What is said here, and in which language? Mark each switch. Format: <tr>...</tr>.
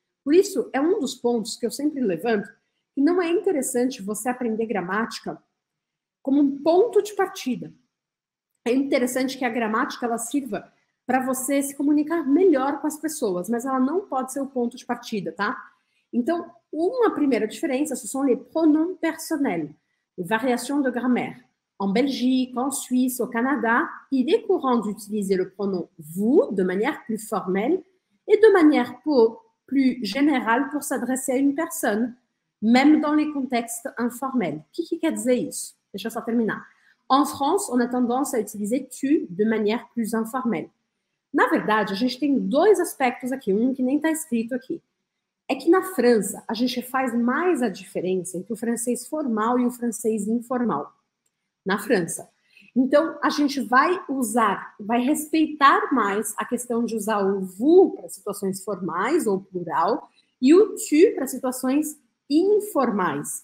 <pt>Por isso, é um dos pontos que eu sempre levanto que não é interessante você aprender gramática como um ponto de partida. É interessante que a gramática ela sirva para você se comunicar melhor com as pessoas, mas ela não pode ser o ponto de partida, tá? Então, uma primeira diferença,</pt> <fr>ce sont les pronoms personnels, les variations de grammaire. En Belgique, en Suisse, au Canada, il est courant d'utiliser le pronom « vous » de manière plus formelle et de manière plus générale pour s'adresser à une personne, même dans les contextes informels.</fr> <pt>Qui quer dizer isso? Deixa eu só terminar.</pt> <fr>En France, on a tendance à utiliser « tu » de manière plus informelle.</fr> <pt>Na verdade, a gente tem dois aspectos aqui, um que nem está escrito aqui. É que na França, a gente faz mais a diferença entre o francês formal e o francês informal. Na França. Então, a gente vai usar, vai respeitar mais a questão de usar o vous para situações formais ou plural e o tu para situações informais.</pt>